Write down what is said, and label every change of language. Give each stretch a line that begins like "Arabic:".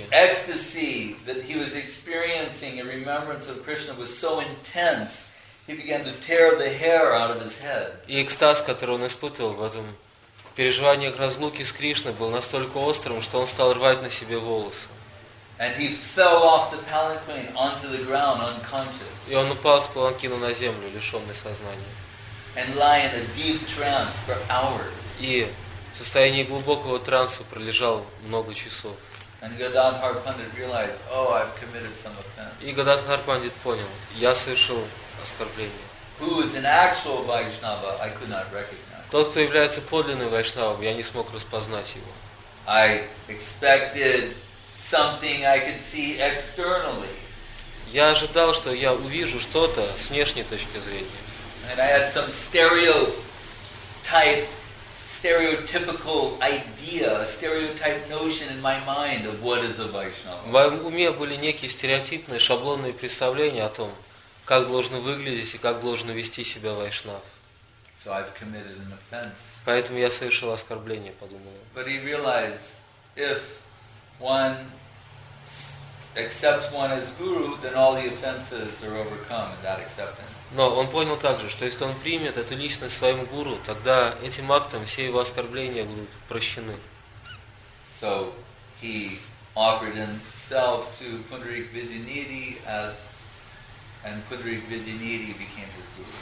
English: And the ecstasy that he was experiencing in remembrance of Krishna was so intense, he began to tear the hair out of his head.
Russian: И экстаз, который он испытывал в этом переживании разлуки с Кришной, был настолько острым, что он стал рвать на себе волосы.
English: And he fell off the palanquin onto the ground unconscious.
Russian: И он упал с паланкина на землю, лишённый сознания.
English: And lay in a deep trance for hours.
Russian: И в состоянии глубокого транса пролежал много часов.
English: And Gadadhar Pandit realized, "Oh, I've committed some offense."
Russian: И Гададхар Пандит понял, я совершил оскорбление.
English: Who is an actual Vaishnava, I could not recognize.
Russian: Тот, кто является подлинным вайшнавом, я не смог распознать его.
English: I expected something I could see externally.
Russian: Я ожидал, что я увижу что-то с внешней точки зрения.
English: And I had some stereotypical idea, a stereotype notion in my mind of what is a Vaishnava.
Russian: В уме были некие стереотипные, шаблонные представления о том, как должен выглядеть и как должен вести себя вайшнав.
English: So I've committed an offense.
Russian: Поэтому я совершил оскорбление, подумал.
English: But he realized, if one accepts one as guru, then all the offenses are overcome in that acceptance.
Russian: Но он понял также, что если он примет эту личность своим гуру, тогда этим актом все его оскорбления будут прощены.
English: So he offered himself to Pundarik Vidyaniti and Pundarik Vidyaniti became his guru.